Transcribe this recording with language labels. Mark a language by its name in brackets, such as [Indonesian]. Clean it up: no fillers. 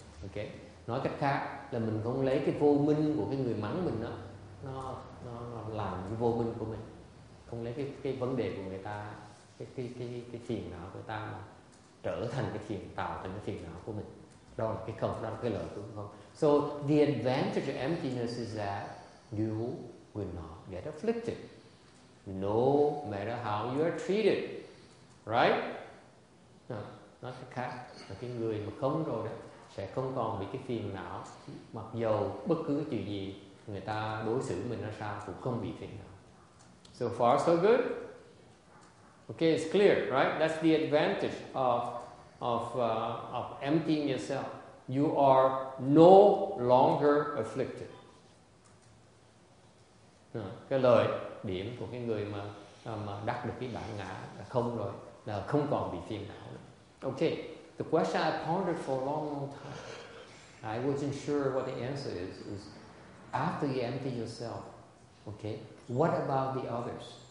[Vietnamese] Ok, nói cách khác là mình không lấy cái vô minh của cái người mắng mình đó, nó làm cái vô minh của mình. Không lấy cái vấn đề của người ta, cái phiền não của ta mà trở thành cái phiền, tạo thành cái phiền não của mình. Đó là cái không, đó là cái lợi của không. [English] So the advantage of emptiness is that you will not get afflicted, no matter how you are treated, right? [Vietnamese] Nói cách khác là cái người mà không rồi đó sẽ không còn bị cái phiền não, mặc dù bất cứ chuyện gì người ta đối xử mình ra sao cũng không bị phiền não. [English] So far, so good. Okay, it's clear, right? That's the advantage of emptying yourself. You are no longer afflicted. [Vietnamese] Cái lợi điểm của cái người mà đắc được cái bản ngã là không rồi, là không còn bị phiền não. [English] Okay, the question I pondered for a long, long time. I wasn't sure what the answer is. Is after you empty yourself, okay, what about the others?